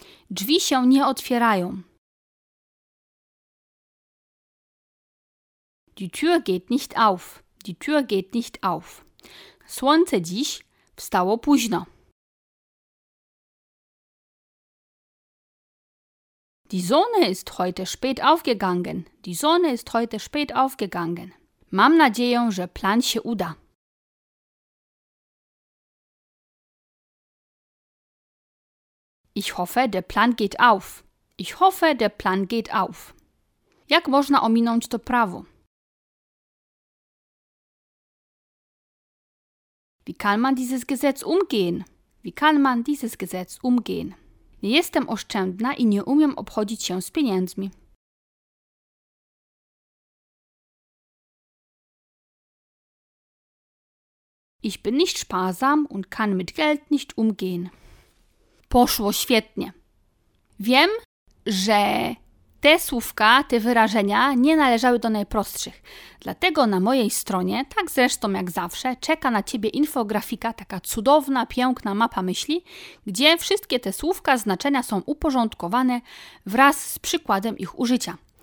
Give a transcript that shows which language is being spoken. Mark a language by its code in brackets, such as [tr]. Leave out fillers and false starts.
[pl] Drzwi się nie otwierają. [de] Die Tür geht nicht auf. die Tür geht nicht auf. [pl] Słońce dziś wstało późno. [de] Die Sonne ist heute spät aufgegangen. Die Sonne ist heute spät aufgegangen. [pl] Mam nadzieję, że plan się uda. [de] Ich hoffe, der Plan geht auf. Ich hoffe, der Plan geht auf. [pl] Jak można ominąć to prawo? [de] Wie kann man dieses Gesetz umgehen? Wie kann man dieses Gesetz umgehen? [pl] Nie jestem oszczędna i nie umiem obchodzić się z pieniędzmi. [de] Ich bin nicht sparsam und kann mit Geld nicht umgehen. [pl] Poszło świetnie. Wiem, że te słówka, te wyrażenia nie należały do najprostszych. Dlatego na mojej stronie, tak zresztą jak zawsze, czeka na Ciebie infografika, taka cudowna, piękna mapa myśli, gdzie wszystkie te słówka, znaczenia są uporządkowane wraz z przykładem ich użycia.